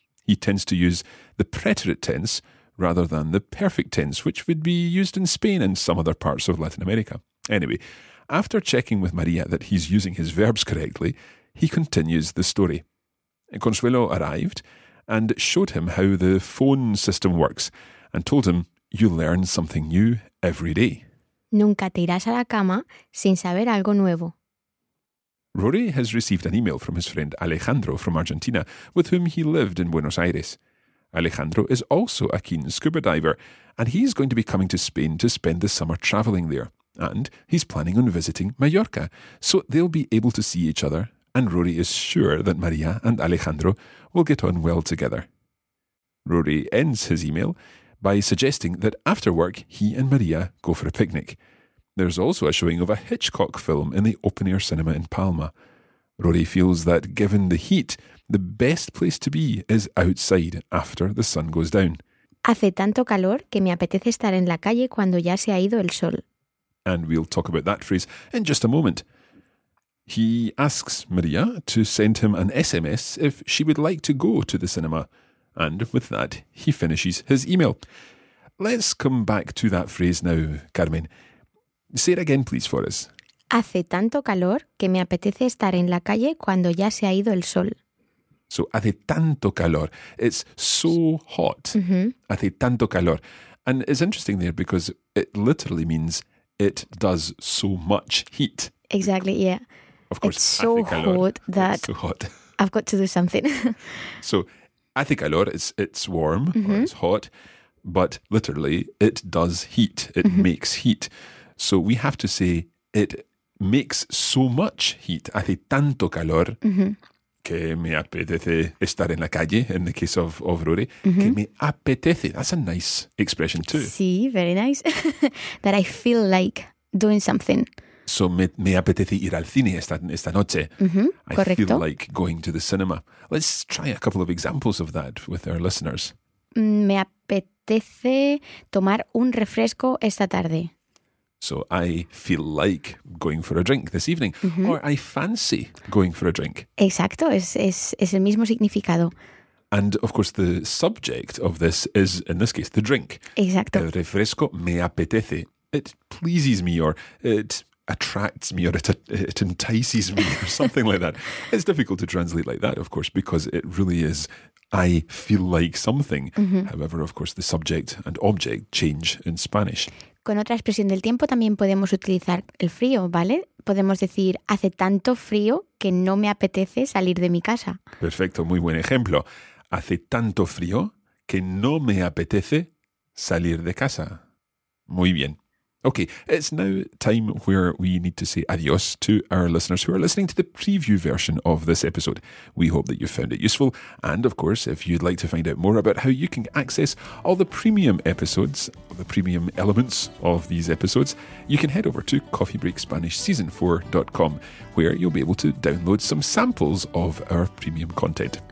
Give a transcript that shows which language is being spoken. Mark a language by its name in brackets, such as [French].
[English] He tends to use the preterite tense rather than the perfect tense, which would be used in Spain and some other parts of Latin America. Anyway, after checking with Maria that he's using his verbs correctly, he continues the story. Consuelo arrived and showed him how the phone system works and told him, you learn something new every day. [Spanish] Nunca te irás a la cama sin saber algo nuevo. [English] Rory has received an email from his friend Alejandro from Argentina, with whom he lived in Buenos Aires. Alejandro is also a keen scuba diver, and he's going to be coming to Spain to spend the summer travelling there. And he's planning on visiting Mallorca, so they'll be able to see each other, and Rory is sure that Maria and Alejandro will get on well together. Rory ends his email by suggesting that after work, he and Maria go for a picnic. There's also a showing of a Hitchcock film in the open-air cinema in Palma. Rory feels that, given the heat, the best place to be is outside after the sun goes down. [Spanish] Hace tanto calor que me apetece estar en la calle cuando ya se ha ido el sol. [English] And we'll talk about that phrase in just a moment. He asks Maria to send him an SMS if she would like to go to the cinema. And with that, he finishes his email. Let's come back to that phrase now, Carmen. Say it again, please, for us. [Spanish] Hace tanto calor que me apetece estar en la calle cuando ya se ha ido el sol. [English] So, [Spanish] hace tanto calor. [English] It's so hot. Mm-hmm. [Spanish] Hace tanto calor. [English] And it's interesting there because it literally means it does so much heat. Exactly, yeah. Of course, it's so hot that it's so hot. I've got to do something. So, [Spanish] hace calor, [English] it's warm, mm-hmm. or it's hot, but literally, it does heat. It mm-hmm. makes heat. So we have to say it makes so much heat. [Spanish] Hace tanto calor mm-hmm. que me apetece estar en la calle, [English] in the case of Rory. Mm-hmm. [Spanish] Que me apetece. [English] That's a nice expression too. Sí, very nice. That I feel like doing something. [Spanish] So me apetece ir al cine esta noche. Mm-hmm. [English] I [Spanish] Correcto. [English] Feel like going to the cinema. Let's try a couple of examples of that with our listeners. [Spanish] Me apetece tomar un refresco esta tarde. [English] So I feel like going for a drink this evening, mm-hmm. or I fancy going for a drink. [Spanish] Exacto, es el mismo significado. [English] And of course the subject of this is, in this case, the drink. [Spanish] Exacto. El refresco me apetece. [English] It pleases me, or it attracts me, or it entices me, or something like that. It's difficult to translate like that, of course, because it really is, I feel like something. Mm-hmm. However, of course, the subject and object change in Spanish. [Spanish] Con otra expresión del tiempo también podemos utilizar el frío, ¿vale? Podemos decir, hace tanto frío que no me apetece salir de mi casa. Perfecto, muy buen ejemplo. Hace tanto frío que no me apetece salir de casa. Muy bien. [English] Okay, it's now time where we need to say adios to our listeners who are listening to the preview version of this episode. We hope that you found it useful. And of course, if you'd like to find out more about how you can access all the premium episodes, the premium elements of these episodes, you can head over to coffeebreakspanishseason4.com, where you'll be able to download some samples of our premium content.